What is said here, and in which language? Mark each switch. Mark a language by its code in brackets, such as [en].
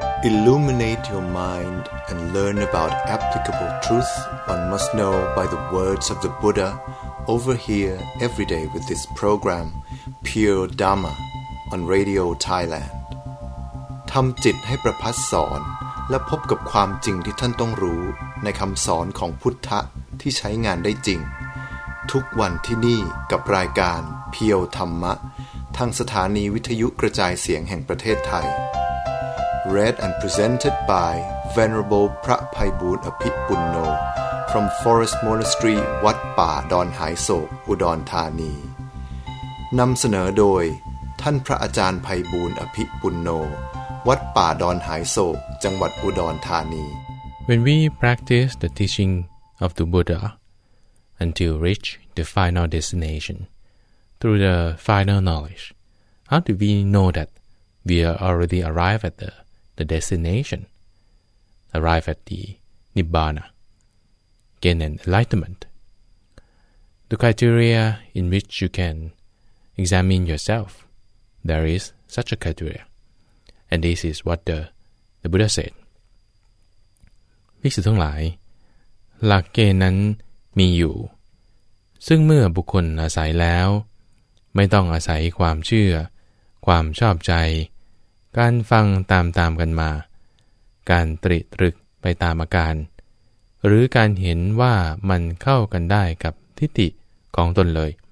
[en] Illuminate your mind and learn about applicable truth one must know by the words of the Buddha over here every day with this program, Pure Dharma, on Radio Thailand. [th] ทำจิตให้ประพัสสอนและพบกับความจริงที่ท่านต้องรู้ในคำสอนของพุทธะที่ใช้งานได้จริงทุกวันที่นี่กับรายการเพียวธรรมะทางสถานีวิทยุกระจายเสียงแห่งประเทศไทย [en] Read and presented by Venerable [th] พระไพบูลย์อภิปุณโญ [en] from Forest Monastery [th] วัดป่าดอนหายโศกอุดรธานีนำเสนอโดยท่านพระอาจารย์ไพบูลย์อภิปุณโญวัดป่าดอนหายโศกจังหวัดอุดรธานี [en] When we practice the teaching of the Buddha until reach the final destination through the final knowledge, how do we know that we are already arrived at the destination, arrive at the Nibbana, gain an enlightenment? The criteria in which you can examine yourself, there is such a criteria. And this is what the Buddha said. [th] ภิกษุทั้งหลายหลักเกณฑ์นั้นมีอยู่ซึ่งเมื่อบุคคลอาศัยแล้วไม่ต้องอาศัยความเชื่อความชอบใจการฟังตามกันมาการตริตรึกไปตามอาการหรือการเห็นว่ามันเข้ากันได้กับทิฏฐิของตนเลย